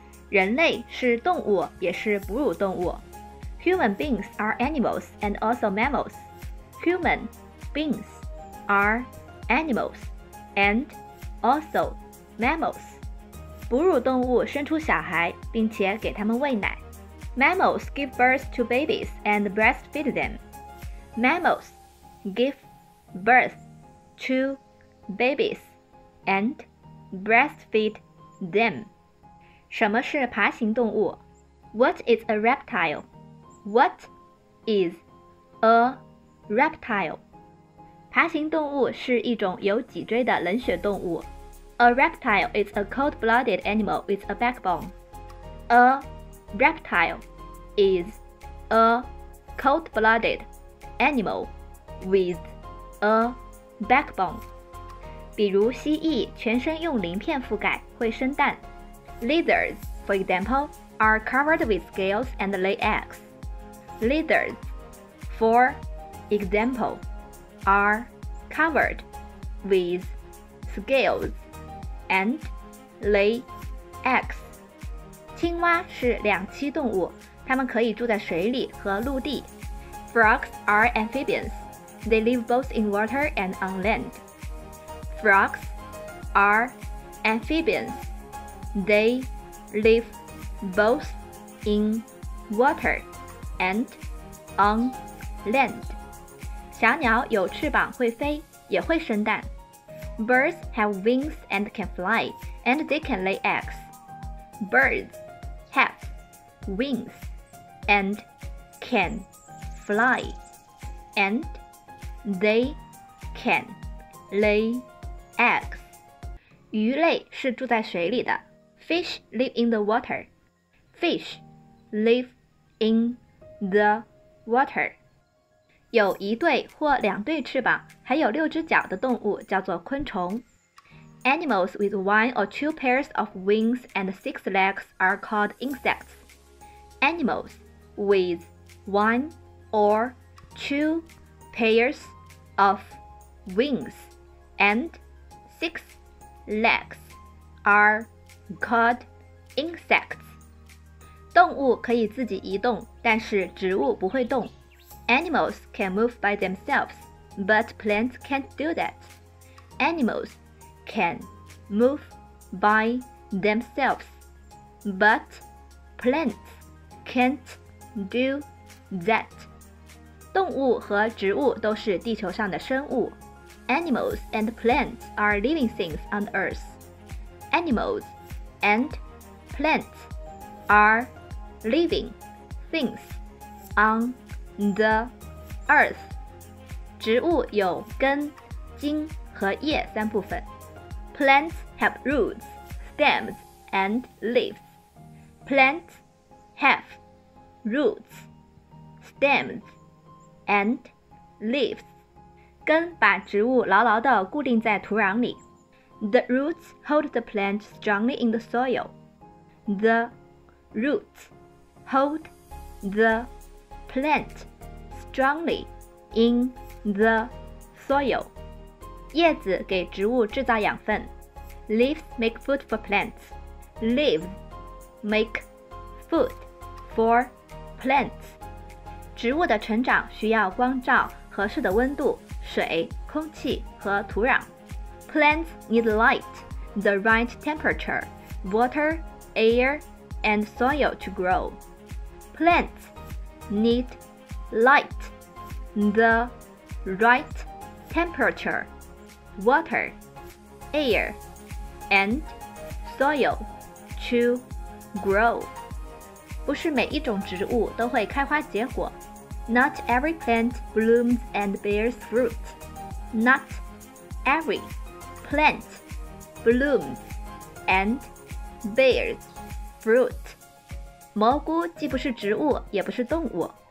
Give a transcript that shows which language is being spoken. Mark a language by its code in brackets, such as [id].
[zh] 人类是动物，也是哺乳动物。 [en] Human beings are animals and also mammals. Human beings are animals and also mammals. [zh] 哺乳动物生出小孩，并且给他们喂奶。 [en] Mammals give birth to babies and breastfeed them. Mammals give birth to babies and breastfeed them. [zh] 什么是爬行动物 ? [en] What is a reptile? What is a reptile? [zh] 爬行动物是一种有脊椎的冷血动物。 [en] A reptile is a cold-blooded animal with a backbone. A reptile is a cold-blooded animal with a backbone. [zh] 比如蜥蜴全身用鳞片覆盖会生蛋。 [en] Lizards, for example, are covered with scales and lay eggs. Lizards, for example, are covered with scales and lay eggs. [zh] 青蛙是两栖动物，它们可以住在水里和陆地。 [en] Frogs are amphibians. They live both in water and on land. Frogs are amphibians. They live both in water and on land. [zh] 小鸟有翅膀会飞，也会生蛋。 [en] Birds have wings and can fly, and they can lay eggs. Birds have wings and can fly, and they can lay eggs. Eggs. [zh] 鱼类是住在水里的。 [en] Fish live in the water. Fish live in the water. [zh] 有一对或两对翅膀，还有六只脚的动物叫做昆虫。 [en] Animals with one or two pairs of wings and six legs are called insects. Animals with one or two pairs of wings andSix legs are called insects. [zh] 动物可以自己移动，但是植物不会动。 [en] Animals can move by themselves, but plants can't do that. Animals can move by themselves, but plants can't do that. [zh] 动物和植物都是地球上的生物。 [en] Animals and plants are living things on Earth. Animals and plants are living things on the Earth. [zh] 植物有根、茎和叶三部分。 [en] Plants have roots, stems, and leaves. Plants have roots, stems, and leaves. [zh] 根把植物牢牢地固定在土壤里。 [en] The roots hold the plant strongly in the soil. The roots hold the plant strongly in the soil. [zh] 叶子给植物制造养分。 [en] Leaves make food for plants. Leaves make food for plants. [zh] 植物的成长需要光照、合适的温度。水、空气和土壤。 [en] Plants need light, the right temperature, water, air, and soil to grow. Plants need light, the right temperature, water, air, and soil to grow. [zh] 不是每一种植物都会开花结果。 [en] Not every plant blooms and bears fruit. Not every plant blooms and bears fruit. [zh] 蘑菇既不是植物也不是动物。